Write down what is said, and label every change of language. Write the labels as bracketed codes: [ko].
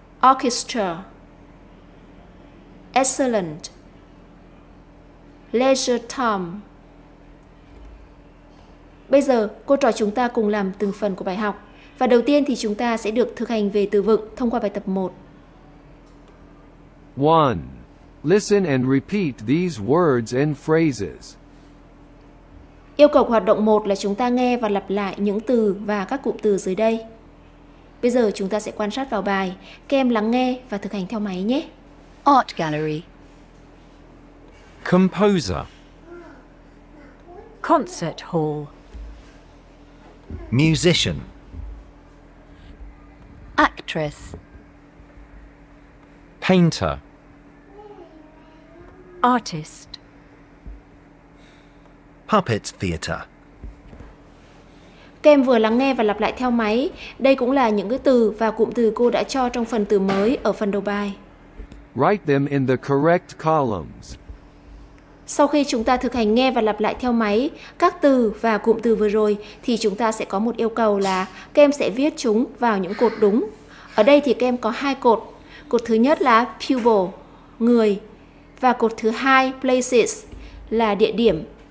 [en] Orchestra. Excellent. Leisure time. [vi] Bây giờ, cô trò chúng ta cùng làm từng phần của bài học. Và đầu tiên thì chúng ta sẽ được thực hành về từ vựng thông qua bài tập 1. [en] 1. Listen and repeat these words and phrases. [vi] Yêu cầu của hoạt động 1 là chúng ta nghe và lặp lại những từ và các cụm từ dưới đây. Bây giờ chúng ta sẽ quan sát vào bài. Các em lắng nghe và thực hành theo máy nhé. [en] Art gallery. Composer. Concert hall. Musician. Actress. Painter. Artist. Puppet theater. [vi] Các em vừa lắng nghe và lặp lại theo máy. Đây cũng là những cái từ và cụm từ cô đã cho trong phần từ mới ở phần đầu bài. [en] Write them in the correct columns. [vi] Sau khi chúng ta thực hành nghe và lặp lại theo máy các từ và cụm từ vừa rồi thì chúng ta sẽ có một yêu cầu là các em sẽ viết chúng vào những cột đúng. Ở đây thì các em có hai cột. Cột thứ nhất là pupil, người, và cột thứ hai places là địa điểm.